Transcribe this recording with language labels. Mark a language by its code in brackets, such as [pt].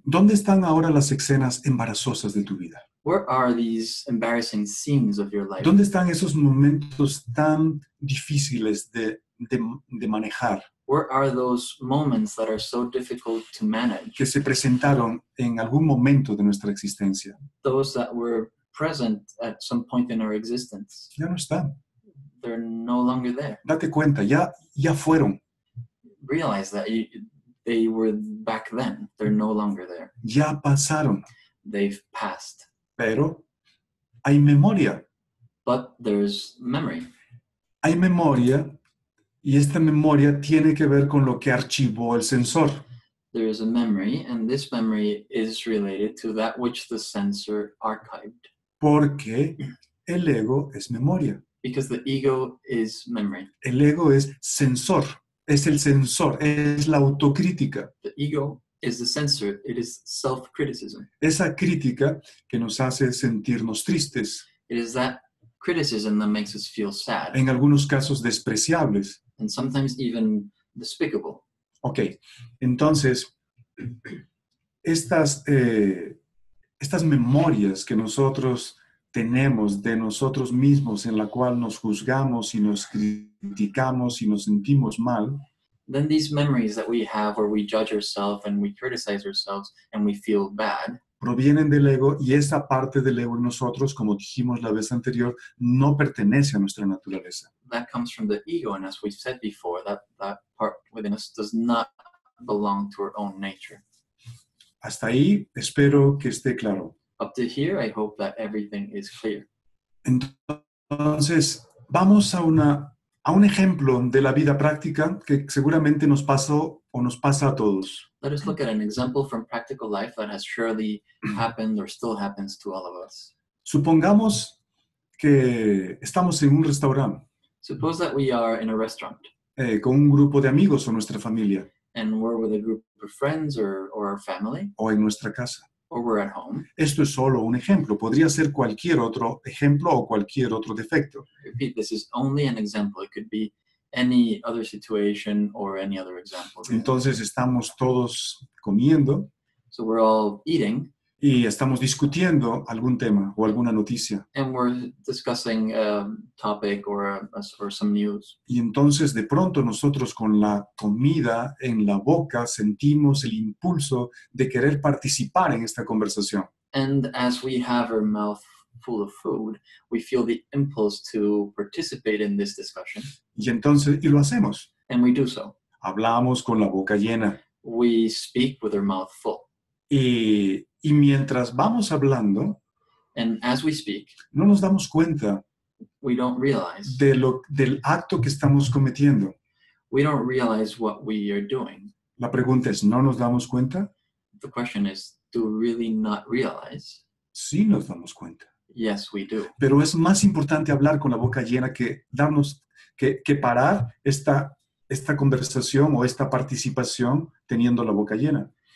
[es] ¿Dónde están ahora las escenas embarazosas de tu vida? [en] Where are these embarrassing scenes of your life? [es] ¿Dónde están esos momentos tan difíciles de manejar? [en] Where are those moments that are so difficult to manage? [es] Que se presentaron en algún momento de nuestra existencia. [en] Those that were present at some point in our existence. [es] Ya no están. [en] They're no longer there. [es] Date cuenta, ya fueron. [en] Realize that they were back then. They're no longer there. [es] Ya pasaron. [en] They've passed. [es] Pero hay memoria. [en] But there's memory. [es] Hay memoria. Y esta memoria tiene que ver con lo que archivó el sensor. [en] There is a memory, and this memory is related to that which the sensor archived. [es] Porque el ego es memoria. [en] Because the ego is memory. [es] El ego es sensor. Es el sensor. Es la autocrítica. [en] The ego is the sensor. It is self-criticism. [es] Esa crítica que nos hace sentirnos tristes. [en] It is that criticism that makes us feel sad. [es] En algunos casos despreciables. [en] And sometimes even despicable. [es] Okay, entonces, estas memorias que nosotros tenemos de nosotros mismos en la cual nos juzgamos y nos criticamos y nos sentimos mal. [en] Then these memories that we have where we judge ourselves and we criticize ourselves and we feel bad. [es] Provienen del ego y esa parte del ego en nosotros, como dijimos la vez anterior, no pertenece a nuestra naturaleza. [en] That comes from the ego, and as we've said before, that part within us does not belong to our own nature. [es] Hasta ahí, espero que esté claro. [en] Up to here, I hope that everything is clear. [es] Entonces, vamos a un ejemplo de la vida práctica que seguramente nos pasó o nos pasa a todos. [en] Let us look at an example from practical life that has surely happened or still happens to all of us. [es] Supongamos que estamos en un restaurante. [en] Suppose that we are in a restaurant. [es] Con un grupo de amigos o nuestra familia. [en] And we're with a group of friends or our family. [es] O en nuestra casa. [en] Or we're at home. [es] Esto es solo un ejemplo. Podría ser cualquier otro ejemplo o cualquier otro defecto. [en] Repeat, this is only an example. It could be any other situation or any other example. [es] Entonces estamos todos comiendo. [en] So we're all eating. [es] Y estamos discutiendo algún tema o alguna noticia. [en] And we're discussing a topic or some news. [es] Y entonces de pronto nosotros con la comida en la boca sentimos el impulso de querer participar en esta conversación. [en] And as we have our mouth full of food, we feel the impulse to participate in this discussion. [es] Y lo hacemos. [en] And we do so. [es] Hablamos con la boca llena. [en] We speak with our mouth full. [es] Y mientras vamos hablando, [en] and as we speak, [es] no nos damos cuenta, [en] we don't realize, [es] del acto que estamos cometiendo. [en] We don't realize what we are doing. [es] La pregunta es, ¿no nos damos cuenta? [en] The question is, do we really not realize? [es] Sí nos damos cuenta. [en] Yes, we do. [es] Pero es más importante hablar con la boca llena que darnos que parar esta conversación o esta participación teniendo la boca llena.